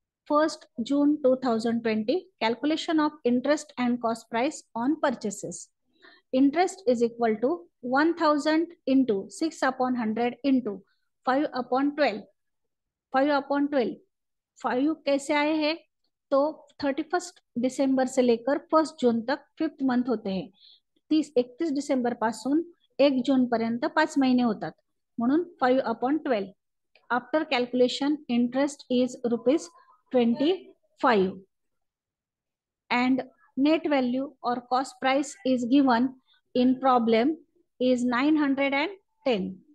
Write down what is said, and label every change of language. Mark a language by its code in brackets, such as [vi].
[en] 1 June 2020 calculation of interest and cost price on purchases. Interest is equal to 1000 into 6/100 into 5/12. [hi] 5 कैसे आए हैं, तो 31 दिसंबर से लेकर 1 जून तक 5th मंथ होते हैं. [mr] 31 दिसंबर पासून 1 जून पर्यंत 5 महीने होतात, म्हणून 5/12. [en] After calculation interest is rupees 25 and net value और cost price is given in problem is 910.